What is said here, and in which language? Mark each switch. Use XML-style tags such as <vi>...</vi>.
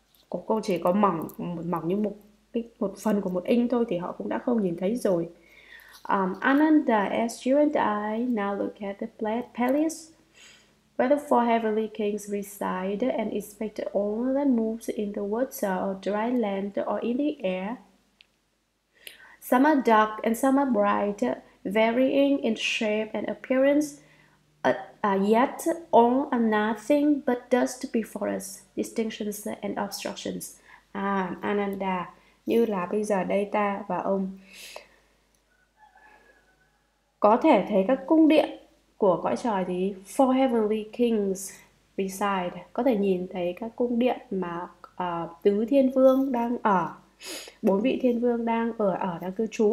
<vi>Cô chỉ có mỏng, mỏng như một phần của một inch thôi thì họ cũng đã không nhìn thấy rồi.</vi> <en>Ananda, as you and I now look at the palace where the four heavenly kings reside and inspect all that moves in the water or dry land or in the air, some are dark and some are bright, varying in shape and appearance, Yet all are nothing but dust before us, distinctions and obstructions.</en> <vi>À, Ananda, như là bây giờ đây ta và ông có thể thấy các cung điện của cõi trời thì</vi> <en>four heavenly kings reside,</en> <vi>có thể nhìn thấy các cung điện mà tứ thiên vương đang ở, bốn vị thiên vương đang ở ở đang cư trú.</vi>